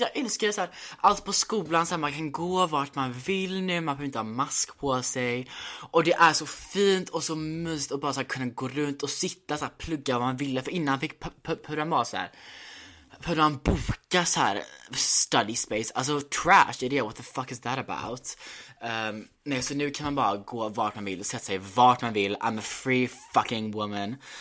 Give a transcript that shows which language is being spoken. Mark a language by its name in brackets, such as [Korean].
[Swedish] Jag älskar det så här, allt på skolan så här, man kan gå vart man vill nu, man behöver inte ha mask på sig. Och det är så fint och så mysigt att bara så här, kunna gå runt och sitta så här, plugga vad man ville, för innan man fick pyramid så här, för man boka så här study space. [English] Alltså trash idea, what the fuck is that about? [Swedish] Nej, så nu kan man bara gå vart man vill, sätta sig vart man vill. I'm a free fucking woman.